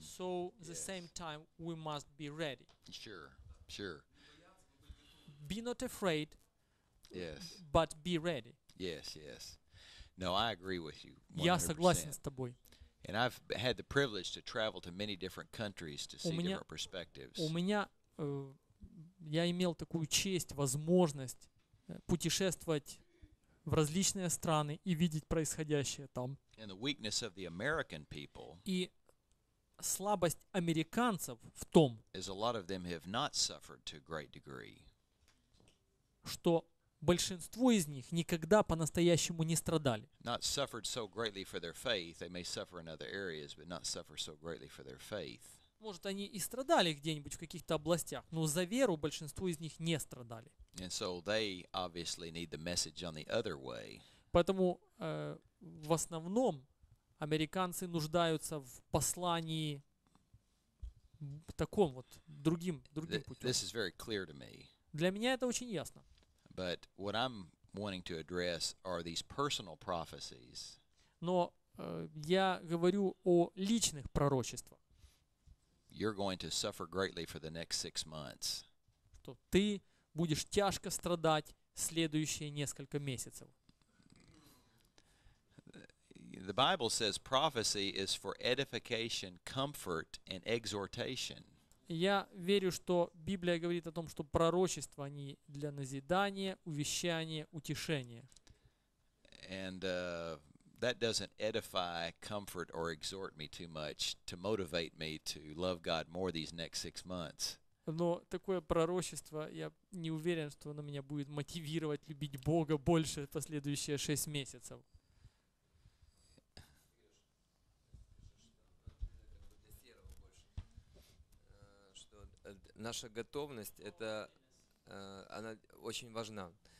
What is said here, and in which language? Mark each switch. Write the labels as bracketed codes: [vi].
[en] So at the same time, we must be ready. Sure, sure. Be not afraid. Yes. But be ready. Yes, yes. No, I agree with you. [ru] 100%. Я согласен с тобой. [en] And I've had the privilege to travel to many different countries to see different perspectives. [ru] У меня я имел такую честь, возможность путешествовать в различные страны и видеть происходящее там. [en] And the weakness of the American people, [ru] и слабость американцев в том, [en] is a lot of them have not suffered to a great degree, [ru] что большинство из них никогда по-настоящему не страдали. [en] Not suffered so greatly for their faith. They may suffer in other areas, but not suffer so greatly for their faith. [ru] Может, они и страдали где-нибудь в каких-то областях, но за веру большинство из них не страдали. [en] And so they obviously need the message on the other way. [ru] Поэтому в основном американцы нуждаются в послании таком вот другим путем. [en] This is very clear to me. [ru] Для меня это очень ясно. [en] But what I'm wanting to address are these personal prophecies. [ru] Но я говорю о личных пророчествах. [en] You're going to suffer greatly for the next 6 months. [ru] Что ты будешь тяжко страдать следующие несколько месяцев. [en] The Bible says prophecy is for edification, comfort, and exhortation. [ru] Я верю, что Библия говорит о том, что пророчества они для назидания, увещания, утешения. [en] And that doesn't edify, comfort, or exhort me too much to motivate me to love God more these next 6 months. [ru] Но такое пророчество, я не уверен, что оно меня будет мотивировать любить Бога больше последующие 6 месяцев. Я наша готовность, это она очень важна.